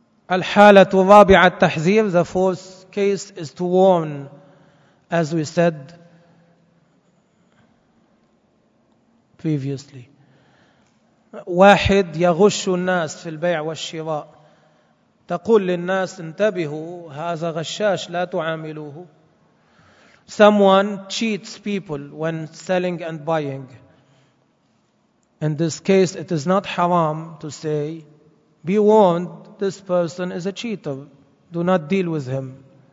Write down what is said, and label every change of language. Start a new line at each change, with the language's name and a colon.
Arabic: الحالة الرابعة التحذير.
English: The fourth case is to warn, as we said previously.
Arabic: واحد يغش الناس في البيع والشراء. تقول للناس انتبهوا هذا غشاش لا تعاملوه.
English: Someone cheats people when selling and buying. In this case it is not haram to say, be warned, this person is a cheater, do not deal with him.